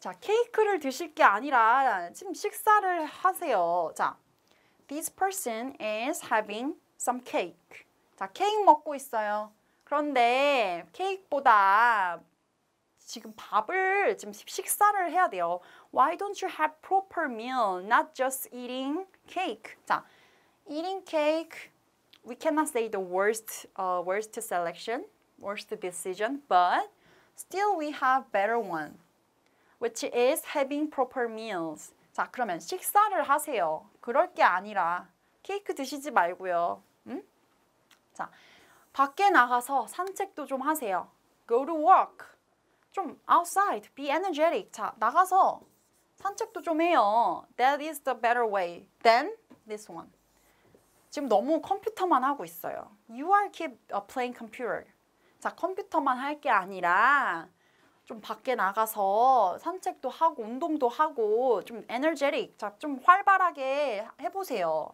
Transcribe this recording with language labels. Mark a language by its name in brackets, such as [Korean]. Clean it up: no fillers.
[Korean] 자, 케이크를 드실 게 아니라 지금 식사를 하세요. [English] 자, this person is having some cake. [Korean] 자, 케이크 먹고 있어요. 그런데 케이크보다 지금 밥을, 지금 식사를 해야 돼요. [English] Why don't you have proper meal, not just eating cake? 자, eating cake, we cannot say the worst selection, worst decision, but still we have better one, which is having proper meals. [Korean] 자, 그러면 식사를 하세요. 그럴 게 아니라 케이크 드시지 말고요. 자, 밖에 나가서 산책도 좀 하세요. [English] Go to walk. 좀 outside, be energetic. [Korean] 자, 나가서 산책도 좀 해요. [English] That is the better way than this one. [Korean] 지금 너무 컴퓨터만 하고 있어요. [English] You are keep playing computer. [Korean] 자, 컴퓨터만 할 게 아니라 좀 밖에 나가서 산책도 하고 운동도 하고 좀 energetic, 자, 좀 활발하게 해보세요.